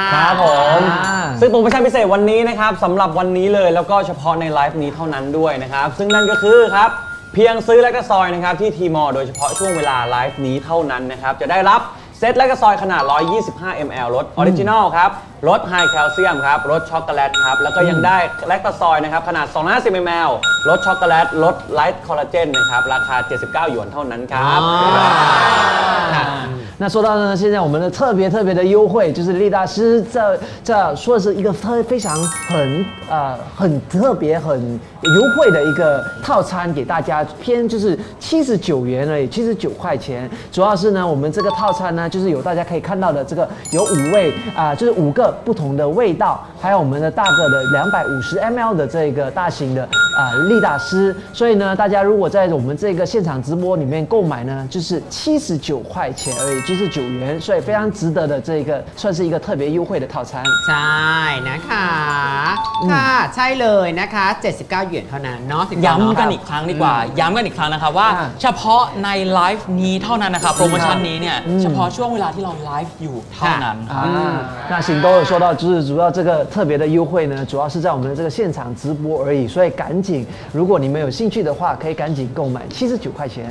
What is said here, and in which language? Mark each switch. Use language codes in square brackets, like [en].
[th] ครับผมซึ่งโปรโมชั่นพิเศษวันนี้นะครับสำหรับวันนี้เลยแล้วก็เฉพาะในไลฟ์นี้เท่านั้นด้วยนะครับซึ่งนั่นก็คือครับเพียงซื้อลาลาซอยนะครับที่ทีมอโดยเฉพาะช่วงเวลาไลฟ์นี้เท่านั้นนะครับจะได้รับเซตลาลาซอยขนาด125 มล. รสออริจินอลครับรสไฮแคลเซียมครับรสช็อกโกแลตครับแล้วก็ยังได้แลคตาซอยนะครับขนาด250 มล. รสช็อกโกแลตรสไลท์คอลลาเจนนะครับราคา79 หยวนเท่านั้นครับ [zh] 那说到呢，现在我们的特别特别的优惠，就是力大师这说的是一个非常很特别很优惠的一个套餐给大家，偏就是79元而已，79块钱。主要是呢，我们这个套餐呢，就是有大家可以看到的这个有5味就是5个不同的味道，还有我们的大个的250 ml 的这个大型的力大师。所以呢，大家如果在我们这个现场直播里面购买呢，就是79块钱而已。就是9元，所以非常值得的这个算是一个特别优惠的套餐。 [th] ใช่นะคะค่ะใช่เลยนะคะ79 หยวนเท่านั้นเนาะ ย้ำกันอีกครั้งดีกว่าย้ำกันอีกครั้งนะครับว่าเฉพาะในไลฟ์นี้เท่านั้นนะครับโปรโมชั่นนี้เนี่ยเฉพาะช่วงเวลาที่เราไลฟ์อยู่เท่านั้น นะสิงโตก็ [zh] 说到就是主要这个特别的优惠呢主要是在我们的这个现场直播而已所以赶紧如果你们有兴趣的话可以赶紧购买79块钱